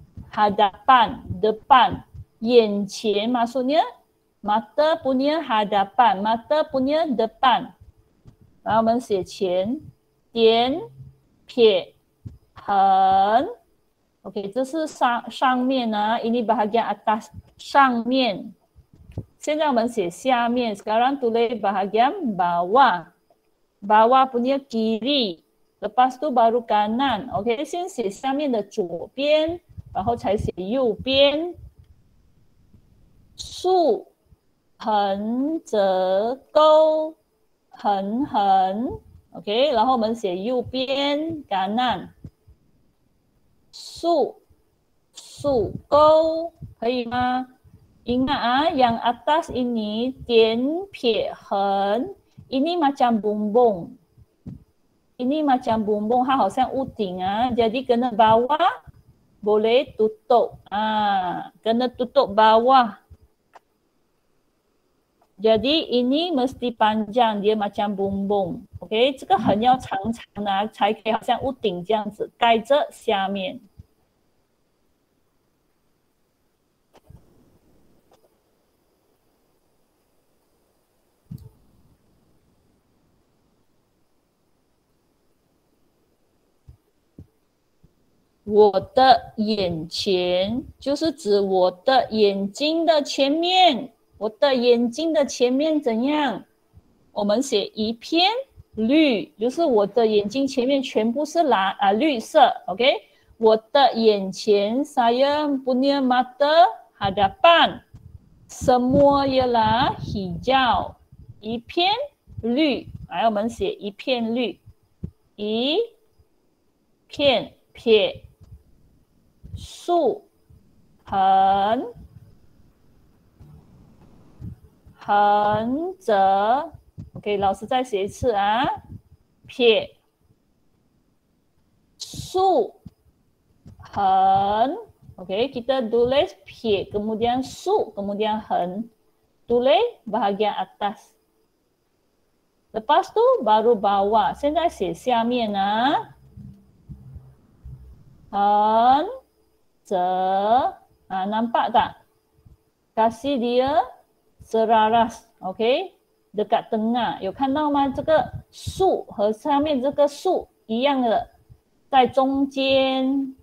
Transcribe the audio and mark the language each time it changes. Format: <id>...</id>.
<zh>哈达半的半，眼前嘛，是念马的不念哈达半，马的不念的半。然后我们写前，点，撇，横。 OK， 这是 上面呢、啊，</zh> <ms>ini bahagian atas</ms> <zh>上面。现在我们写下面</zh> <ms>，sekarang tulis bahagian bawah， bawah punya kiri， lepas tu baru kanan。</ms> <zh>OK， 先写下面的左边，然后才写右边。竖、横、折、勾、横、横。 OK， 然后我们写右边kanan。竖、竖勾可以吗？应该啊</zh> <ms>，yang atas ini 点撇横 ，ini macam bumbung，ini macam bumbung，</ms> <zh>它好像屋顶啊</zh> <ms>，jadi kena bawah boleh tutup 啊 ，kena tutup bawah，jadi ini mesti panjang dia macam bumbung，OK，、okay?</ms> <zh>这个横要长长的、啊、才可以，好像屋顶这样子盖着下面。我的眼前就是指我的眼睛的前面，我的眼睛的前面怎样？我们写一片绿，就是我的眼睛前面全部是蓝啊绿色。</zh> <ms>OK，</ms> <zh>我的眼前</zh> <ms>saya punya mata hadapan semua ialah hijau，</ms> <zh>一片绿。来，我们写一片绿，一片撇。竖、横、横、折 ，OK， 老师再写一次啊，撇、</zh> <ms>竖、横 ，OK， kita tulis 撇 ，kemudian 竖 ，kemudian 横 ，tulis bahagian atas， lepas tu baru bawah，</ms> <zh>现在写下面啊，</zh> <ms>横。折啊，nampak tak? Kasih dia seraras, OK? Dekat tengah,</ms> <zh>有看到吗？这个竖和上面这个竖一样的，在中间。</zh>